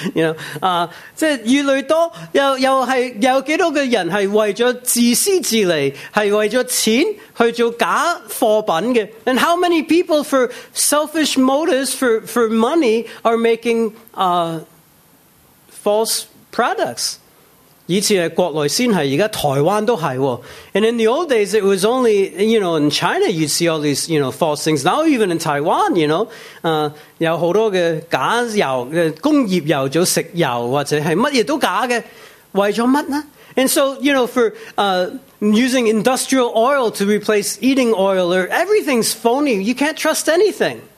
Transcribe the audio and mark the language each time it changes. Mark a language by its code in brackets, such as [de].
[yue] You know, 即越来越多有几多个人是为了自私自利，是为了钱去做假货品的。 [en] And how many people for selfish motives for money are making false products? [yue] 以前是国内先是，现在台湾都是。 [en] And in the old days, it was only, you know, in China, you'd see all these, you know, false things. Now even in Taiwan, you know, [yue] 有很多的假油，工业油做食油，或者是什么都假的，为了什么呢？ [en] And so, you know, for using industrial oil to replace eating oil, or everything's phony, you can't trust anything.